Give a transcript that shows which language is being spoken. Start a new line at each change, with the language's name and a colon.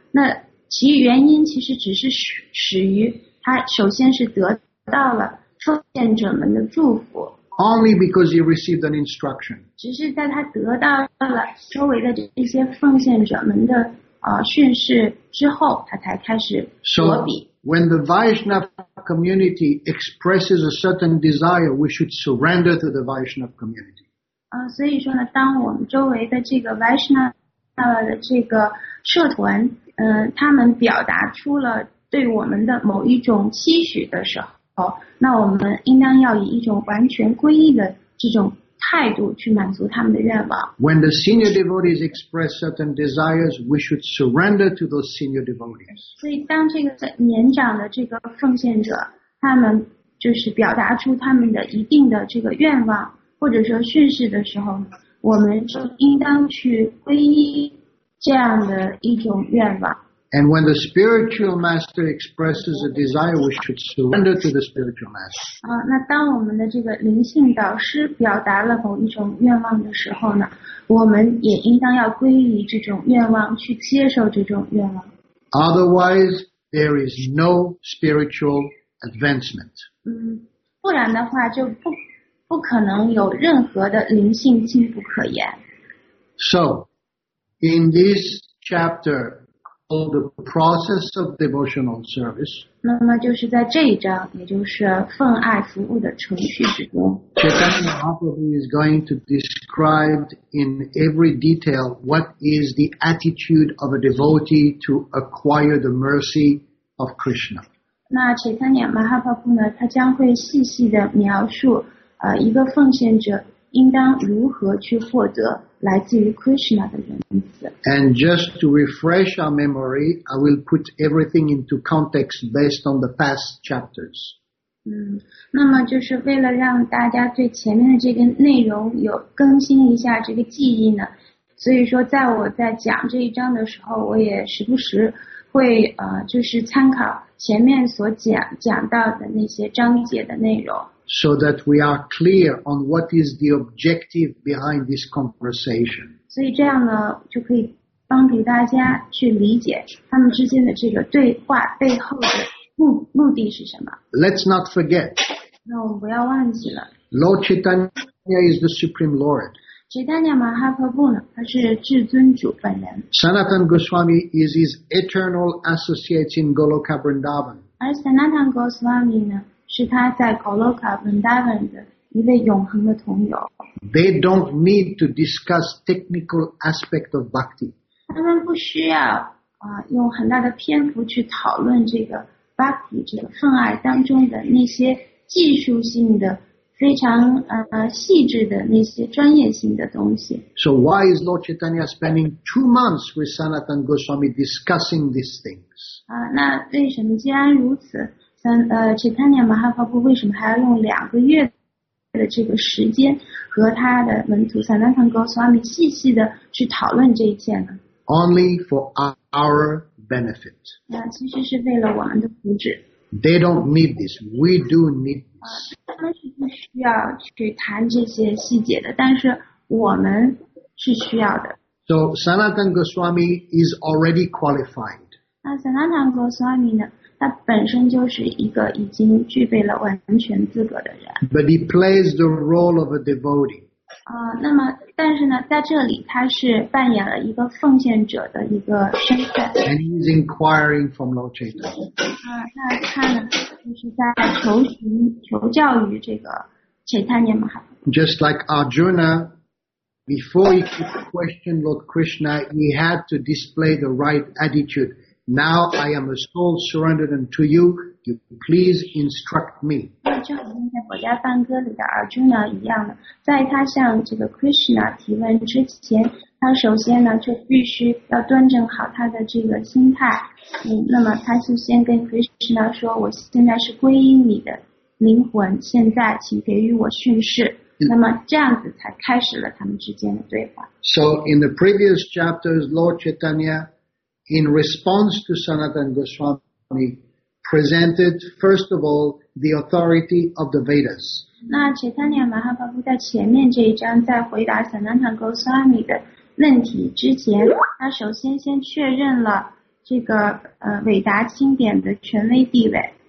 Chinese: 那其原因其实只是始于他首先是得到了奉献者们的祝福。
English: only because he received an instruction.
Chinese: 只是在他得到了周围的这些奉献者们的训示之后，他才开始着笔。
English: So, when the Vaishnava community expresses a certain desire, we should surrender to the Vaishnava community.
Chinese: 所以说呢，当我们周围的这个 Vaishnava 的这个社团，他们表达出了对我们的某一种期许的时候，那我们应当要以一种完全皈依的这种态度去满足他们的愿望。
English: When the senior devotees express certain desires, we should surrender to those senior devotees.
Chinese: 所以当这个年长的这个奉献者，他们就是表达出他们的一定的这个愿望，或者说训示的时候，我们是应当去皈依这样的一种愿望。
English: And when the spiritual master expresses a desire, we should surrender to the spiritual master.
Chinese: 那当我们的这个灵性导师表达了某一种愿望的时候呢，我们也应当要皈依这种愿望，去接受这种愿望。
English: Otherwise, there is no spiritual advancement.
Chinese: 不然的话就不可能有任何的灵性进步可言。
English: So, in this chapter,the process of devotional service.
Chinese: 那么就是在这一章，也就是奉爱服务的程序之中。
English: Chaitanya Mahaprabhu is going to describe in every detail what is the attitude of a devotee to acquire the mercy of Krishna.
Chinese: 那 Chaitanya Mahaprabhu 呢，他将会细细的描述，一个奉献者应当如何去获得来自于 Krishna 的恩赐。
English: And just to refresh our memory, I will put everything into context based on the past chapters.
Chinese: 那么就是为了让大家对前面的这个内容有更新一下这个记忆呢，所以说在我在讲这一章的时候，我也时不时会就是参考前面所讲到的那些章节的内容。
English: So that we are clear on what is the objective behind this conversation.
Chinese: 所以这样呢，就可以帮助大家去理解他们之间的这个对话背后的目的是什么。
English: Let's not forget.
Chinese: 那我们不要忘记了。
English: Lord Chaitanya is the Supreme Lord.
Chinese: Chaitanya Mahaprabhu 呢，他是至尊主本人。
English: Sanatana Goswami is his eternal associate in Goloka Vrindavan.
Chinese: 而 Sanatana Goswami 呢？是他在 Goloka Vrindavan 的一位永恒的同友。
English: They don't need to discuss technical aspect of bhakti.
Chinese: 他们不需要用很大的篇幅去讨论这个 bhakti 这个奉爱当中的那些技术性的非常细致的那些专业性的东西。
English: So why is Lord Chaitanya spending 2 months with Sanatan Goswami discussing these things?
Chinese: 那为什么既然如此？Chaitanya Mahaprabhu 为什么还要用两个月的这个时间和他的门徒 Sanatana Goswami 细细的去讨论这一切呢？
English: Only for our benefit.
Chinese: 其实是为了我们的福祉。
English: They don't need this. We do need this.
Chinese: 他们是不需要去谈这些细节的，但是我们是需要的。
English: So Sanatana Goswami is already qualified.
Chinese: 那 Sanatana Goswami 呢？他本身就是一个已经具备了完全资格的人。
English: But he plays the role of a devotee.
Chinese: 那么但是呢，在这里他是扮演了一个奉献者的一个身份。
English: And he's inquiring from Lord Chaitanya.
Chinese: 那他呢，就是在求教于这个 Chaitanya Mahaprabhu.
English: Just like Arjuna, before he could question Lord Krishna, he had to display the right attitude. Now I am a soul surrendered unto you. You please instruct me.
Chinese: 就好像在《佛家梵歌》里的 Arjuna 一样的，在他向这个 Krishna 提问之前，他首先呢就必须要端正好他的这个心态。那么他就先跟 Krishna 说：“我现在是皈依你的灵魂，现在请给予我训示。” 那么这样子才开始了他们之间的对话。
English: So in the previous chapters, Lord Chaitanya. In response to Sanatana Goswami, presented first of all the authority of the Vedas.
Chinese: 那 Chaitanya Mahaprabhu 在前面这一章在回答 Sanatana Goswami 的问题之前，他首先先确认了这个伟达经典的权威地位。